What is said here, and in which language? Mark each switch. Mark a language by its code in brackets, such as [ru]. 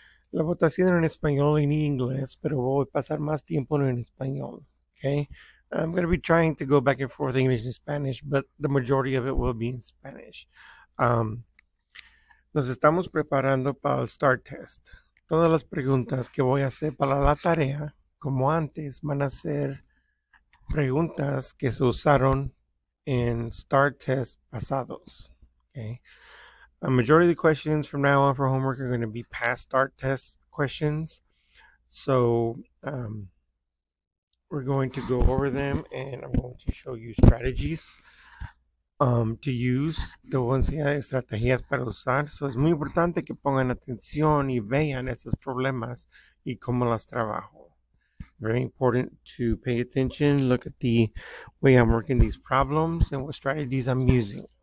[es] La votación en español y en inglés, pero voy a pasar más tiempo en español. [en] Okay? I'm going to be trying to go back and forth English and Spanish, but the majority of it will be in Spanish. [es] Nos estamos preparando para el start test. Todas las preguntas que voy a hacer para la tarea, como antes, van a ser preguntas que se usaron en start test pasados. [en] Okay, a majority of the questions from now on for homework are going to be past start test questions. So we're going to go over them and I'm going to show you strategies to use. [es] Te voy a enseñar estrategias para usar. So es muy importante que pongan atención y vean estos problemas y cómo las trabajo. [en] Very important to pay attention, look at the way I'm working these problems and what strategies I'm using.